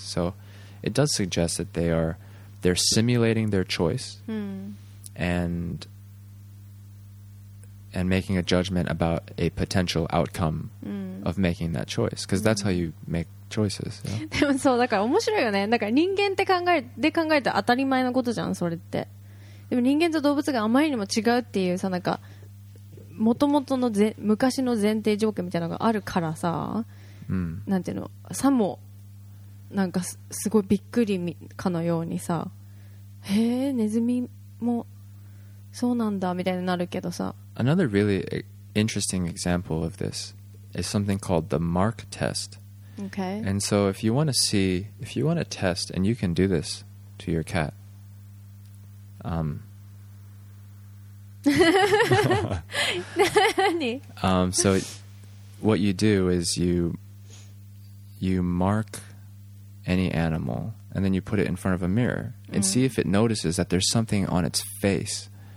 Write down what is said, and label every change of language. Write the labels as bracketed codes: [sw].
[en] So it does suggest that they're simulating their choice and making a judgment about a potential outcome of making that choice, because that's how you make choices, you know? [ja] でもそうだから面白いよね。だから人間って考えて当たり前のことじゃん、それって。でも人間と動物があまりにも違うっていうさ、なんか元々の昔の前提条件みたいなのがあるからさ、なんていうの、さもなんか すごいびっくりかのようにさ、へえ、ネズミもそうなんだみたいになるけどさ。 [en] Another really interesting example of this is something called the mark test. Okay. And so if you want to see, if you want to test, and you can do this to your cat, so what you do is you mark any animal and then you put it in front of a mirror and see if it notices that there's something on its face.